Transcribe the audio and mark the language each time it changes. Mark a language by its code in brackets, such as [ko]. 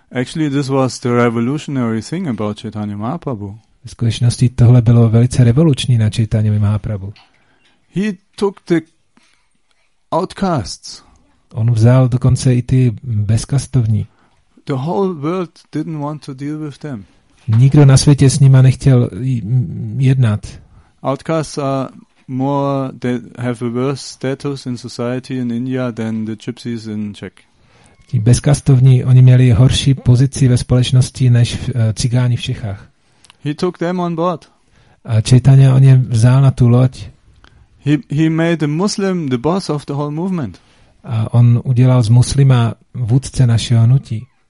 [en] Actually, this was the revolutionary thing about Chaitanya Mahaprabhu. [cs] V skutečnosti tohle bylo velice revoluční na Chaitanya Mahaprabhu. [en] He took the outcasts. [cs] On vzal dokonce i ty bezkastovní. [en] The whole world didn't want to deal with them. [cs] Nikdo na světě s nima nechtěl jednat. [en] Outcasts are more, they have a worse status in society in India than the gypsies in Czech. [cs] Ti bezkastovní, oni měli horší pozici ve společnosti než cigáni v Čechách. [en] He took them on board. [cs] A Chaitanya on je vzal na tu loď. [en] He made the Muslim the boss of the whole movement. [cs] A on udělal z muslima vůdce našeho hnutí.